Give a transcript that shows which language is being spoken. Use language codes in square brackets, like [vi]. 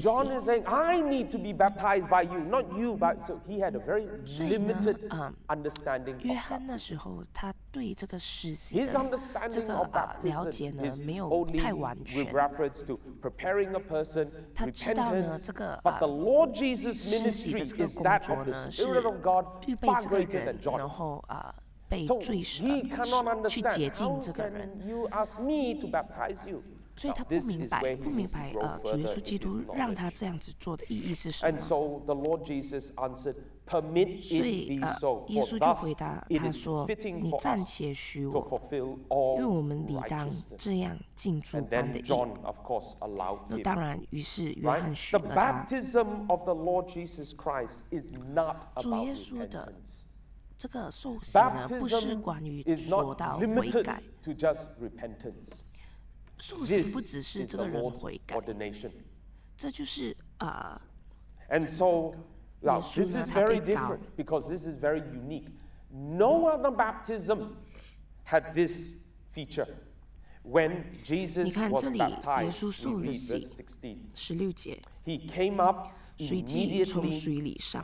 [en] John is saying, I need to be baptized by you, not you. But so he had a very limited understanding. [zh] 约翰那时候他对这个施洗的这个了解呢，没有太完全。 [en] With reference to preparing a person, [zh] 他知道呢这个 [en] But the Lord Jesus ministry is that of the Spirit of God, far greater than John. [zh] 然后被罪神去洁净这个人。 [en] You ask me to baptize you. [zh] 所以他不明白，主耶稣基督让他这样子做的意义是什么？ [en] And so the Lord Jesus answered, "Permit it be so." [zh] 耶稣就回答他说：“你暂且许我，因为我们理当这样尽主般的义。” 那当然，于是约翰许了他。 [en] The baptism of the Lord Jesus Christ is not about [zh] 主耶稣的这个受洗呢，不是关于说到悔改。 [en] To just repentance. [zh] 受洗不只是这个人悔改，这就是 [en] And so, now this is very different because this is very unique. No other baptism had this feature. When Jesus was baptized, verse 16, he came up immediately.